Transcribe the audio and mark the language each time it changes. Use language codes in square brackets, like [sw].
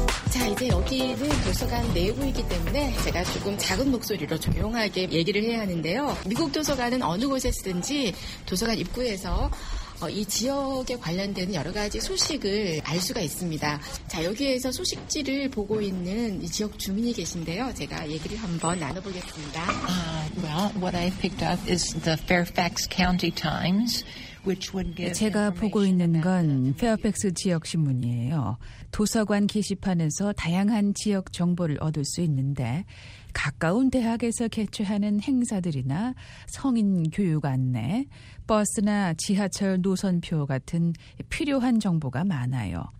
[ko] 자, 이제 여기는 도서관 내부이기 때문에 제가 조금 작은 목소리로 조용하게 얘기를 해야 하는데요. 미국 도서관은 어느 곳에 쓰든지 도서관 입구에서 이 지역에 관련된 여러 가지 소식을 알 수가 있습니다. 자, 여기에서 소식지를 보고 있는 이 지역 주민이 계신데요. 제가 얘기를 한번 나눠보겠습니다. [en] Well, what I picked up is the Fairfax County Times. [ko] 제가 보고 있는 건 페어팩스 지역 신문이에요. 도서관 게시판에서 다양한 지역 정보를 얻을 수 있는데 가까운 대학에서 개최하는 행사들이나 성인 교육 안내, 버스나 지하철 노선표 같은 필요한 정보가 많아요.